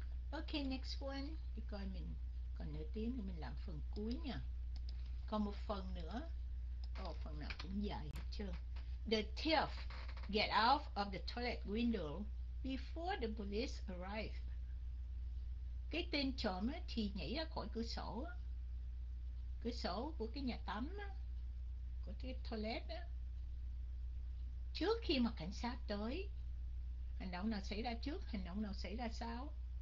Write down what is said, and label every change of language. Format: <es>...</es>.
<en>Ok, next one.</en> <vi>Để coi mình còn nửa tiếng thì mình làm phần cuối nha. Còn một phần nữa. Oh, phần nào cũng dài hết trơn.</vi> <en>The thief get out of the toilet window before the police arrive.</en> <vi>Cái tên trộm thì nhảy ra khỏi cửa sổ. Cửa sổ của cái nhà tắm, của cái toilet đó, trước khi mà cảnh sát tới. Hành động nào xảy ra trước, hành động nào xảy ra sau?</vi>